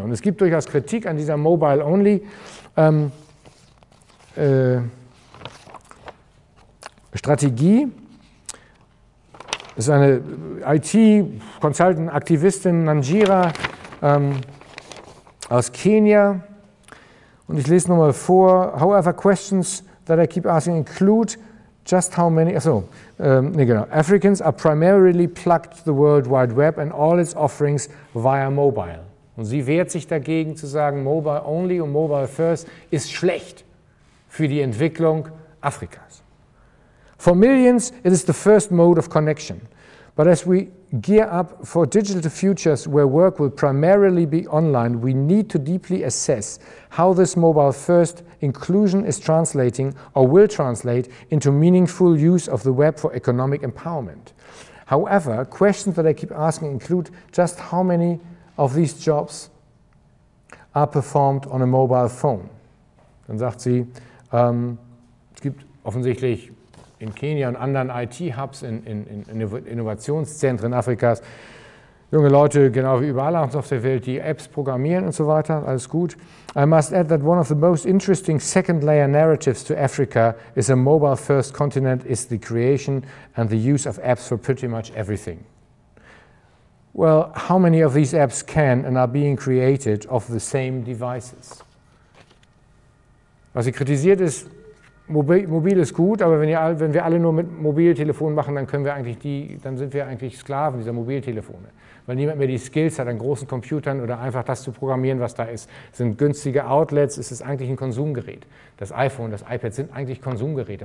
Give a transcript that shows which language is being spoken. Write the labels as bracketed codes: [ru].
[de] Und es gibt durchaus Kritik an dieser Mobile-Only-Strategie. Das ist eine IT-Consultant-Aktivistin, Nanjira, aus Kenia. Und ich lese nochmal vor, [en] however questions that I keep asking include just how many, Africans are primarily plugged to the World Wide Web and all its offerings via mobile. [de] Und sie wehrt sich dagegen zu sagen, mobile only und mobile first ist schlecht für die Entwicklung Afrikas. [en] For millions, it is the first mode of connection. But as we gear up for digital futures where work will primarily be online, we need to deeply assess how this mobile first inclusion is translating or will translate into meaningful use of the web for economic empowerment. However, questions that I keep asking include just how many of these jobs are performed on a mobile phone. [de] Dann sagt sie, es gibt offensichtlich in Kenia und anderen IT-Hubs, in Innovationszentren Afrikas, junge Leute, genau wie überall auf der Welt, die Apps programmieren und so weiter, alles gut. [en] I must add that one of the most interesting second-layer narratives to Africa is a mobile-first continent is the creation and the use of apps for pretty much everything. Well, how many of these apps can and are being created of the same devices? [de] Was sie kritisiert ist, Mobil ist gut, aber wenn wir alle nur mit Mobiltelefonen machen, dann können wir eigentlich dann sind wir eigentlich Sklaven dieser Mobiltelefone. Weil niemand mehr die Skills hat an großen Computern oder einfach das zu programmieren, was da ist. Es sind günstige Outlets, es ist eigentlich ein Konsumgerät. Das iPhone, das iPad sind eigentlich Konsumgeräte.